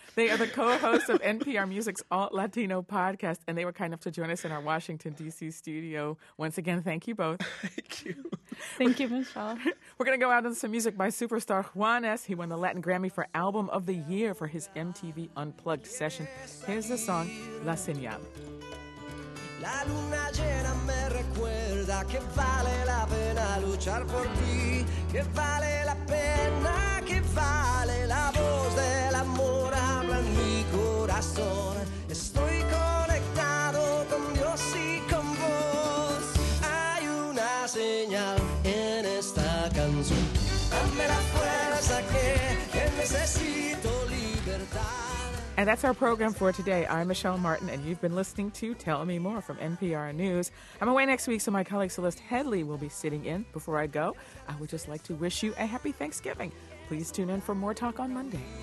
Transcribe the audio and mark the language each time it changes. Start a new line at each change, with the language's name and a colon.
English: They are the co-hosts of NPR Music's Alt Latino podcast, and they were kind enough to join us in our Washington, D.C. studio. Once again, thank you both. Thank you. Thank you, Michelle. We're going to go out on some music by superstar Juanes. He won the Latin Grammy for Album of the Year for his MTV Unplugged session. Here's the song, La Señal.
Spanish: La luna llena me recuerda que vale la pena luchar por ti, que vale la pena, que vale la voz del amor, habla en mi corazón. corazón. Estoy conectado con Dios y con vos. Hay una señal en esta canción. Dame la fuerza que necesito libertad.
English: And that's our program for today. I'm Michelle Martin, and you've been listening to Tell Me More from NPR News. I'm away next week, so my colleague Celeste Headlee will be sitting in. Before I go, I would just like to wish you a happy Thanksgiving. Please tune in for more talk on Monday.